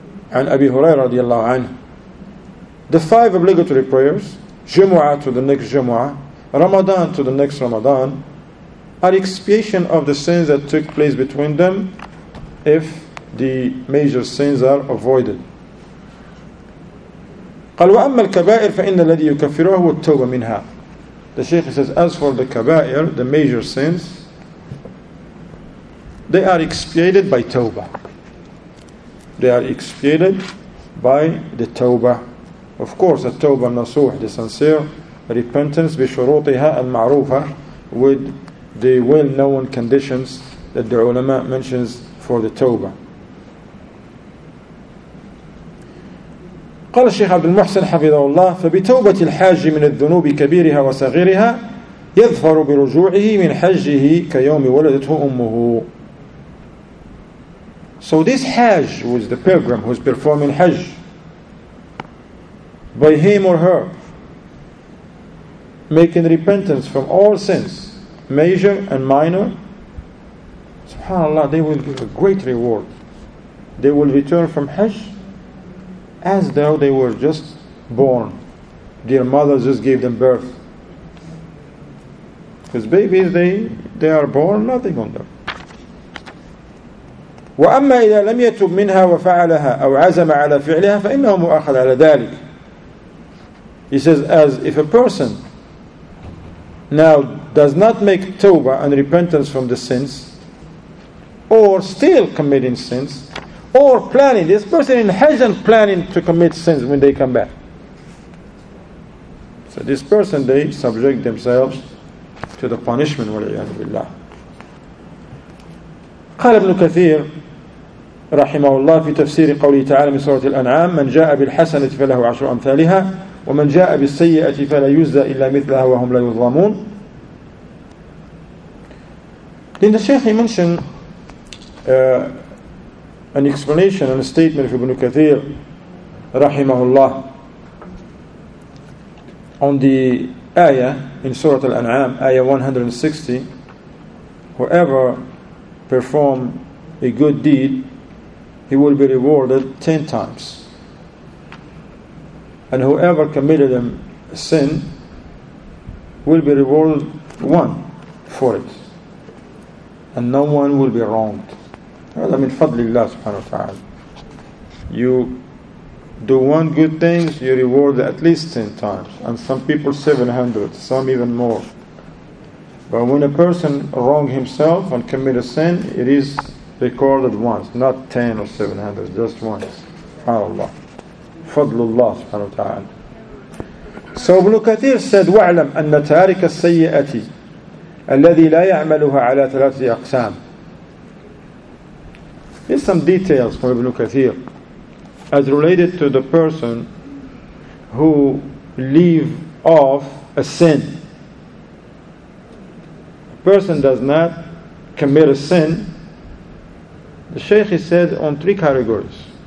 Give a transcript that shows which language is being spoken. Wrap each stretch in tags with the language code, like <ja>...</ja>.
<en>An Abi Hurairah radiyallahu anhu, the five obligatory prayers, Jumu'ah to the next Jumu'ah, Ramadan to the next Ramadan, are expiation of the sins that took place between them if the major sins are avoided.</en> <ar>قال وأما الكبائر فإن الذي يكفره هو التوبة منها.</ar> <en>The Shaykh says, as for the kabair, the major sins, they are expiated by tawbah. They are expiated by the tawbah. Of course, the tawbah nasuh, the sincere repentance,</en> <ar>bishurutiha al-ma'rufa,</ar> <en>with the well-known conditions that the ulama mentions for the tawbah.</en> <ar>قال الشيخ عبد المحسن حفظه الله فبتوبة الحاج من الذنوب كبيرها وصغيرها يظفر برجوعه من حجه كيوم ولدته أمه.</ar> <en>So this Hajj was the pilgrim who is performing Hajj. By him or her, making repentance from all sins, major and minor, subhanAllah, they will give a great reward. They will return from Hajj as though they were just born. Their mother just gave them birth. Because babies, they are born, nothing on them.</en> <ar>وَأَمَّا إِذَا لَمْ يَتُبْ مِنْهَا وَفَعَلَهَا أَوْ عَزَمَ عَلَى فِعْلِهَا فَإِنَّهُ مُؤَخَذَ عَلَى ذَلِكَ.</ar> <en>He says, as if a person now does not make tawbah and repentance from the sins, or still committing sins, or planning, this person in Hajj and planning to commit sins when they come back. So this person, they subject themselves to the punishment.</en> <ar>وَلِعْيَانُ بِاللَّهِ. قال ابن كثير رحمه الله في تفسير قوله تعالى من سورة الأنعام من جاء بالحسنة فله عشر أمثالها ومن جاء بالسيئة فلا يجزى إلا مثلها وهم لا يظلمون.</ar> <en>Then the Shaykh mentioned an explanation and a statement of Ibn Kathir rahimahullah on the ayah in Surah Al-An'am, ayah 160, whoever perform a good deed, he will be rewarded 10 times. And whoever committed a sin will be rewarded one for it. And no one will be wronged.</en> <ar>هذا من فضل الله سبحانه وتعالى.</ar> <en>You do one good thing, you reward at least 10 times. And some people 700, some even more. But when a person wrong himself and commit a sin, it is recorded once, not 10 or 700, just once. SubhanAllah. Fadlullah subhanahu wa ta'ala. So Ibn Kathir said,</en> <ar>وَعْلَمْ أَنَّ تَارِكَ السَّيِّئَةِ الَّذِي لَا يَعْمَلُهَا عَلَى ثَلَاثِ أَقْسَامِ.</ar> <en>Here's some details from Ibn Kathir as related to the person who leave off a sin. A person does not commit a sin. The Shaykh, he said, on three categories.</en>